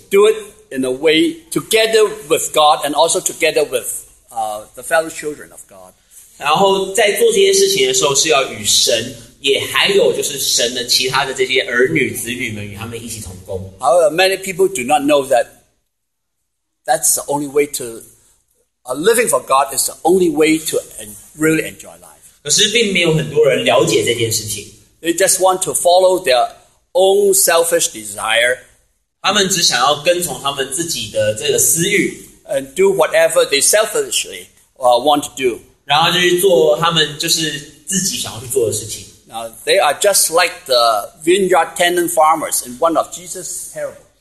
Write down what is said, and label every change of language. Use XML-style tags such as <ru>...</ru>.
<en>Do it in a way together with God and also together with, the fellow children of God.</en> <zh>然后在做这些事情的时候是要与神也还有就是神的其他的这些儿女子女们与他们一起同工。</zh> <en>However, many people do not know that that's the only way to living for God is the only way to really enjoy life.</en> <zh>可是并没有很多人了解这件事情。</zh> <en>They just want to follow their own selfish desire.</en> <zh>他们只想要跟从他们自己的这个私欲。</zh> <en>And do whatever they selfishly want to do.</en> <zh>然后就是做他们就是自己想要去做的事情。</zh> <en>Now, they are just like the vineyard tenant farmers in one of Jesus' parables.</en>